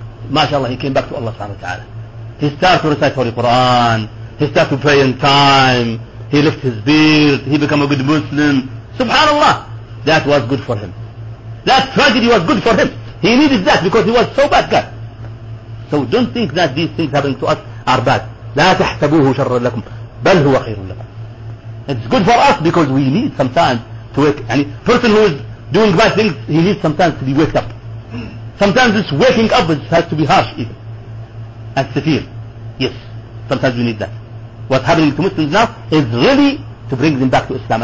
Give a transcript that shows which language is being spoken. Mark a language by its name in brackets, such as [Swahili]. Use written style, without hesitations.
[English] MashaAllah, he came back to Allah subhanahu wa ta'ala. He started to recite Holy Quran. He started to pray in time. He lifted his beard. He became a good Muslim. SubhanAllah. That was good for him. That tragedy was good for him. He needed that because he was so bad guy. So don't think that these things happening to us are bad. [Arabic] لا تحسبوه شرا لكم بل هو خير لكم. [English] It's good for us because we need sometimes to wake. Any person who is doing bad things, he needs sometimes to be waked up. Sometimes this waking up has to be harsh even and severe. Yes, sometimes we need that. What's happening to Muslims now is really to bring them back to Islam.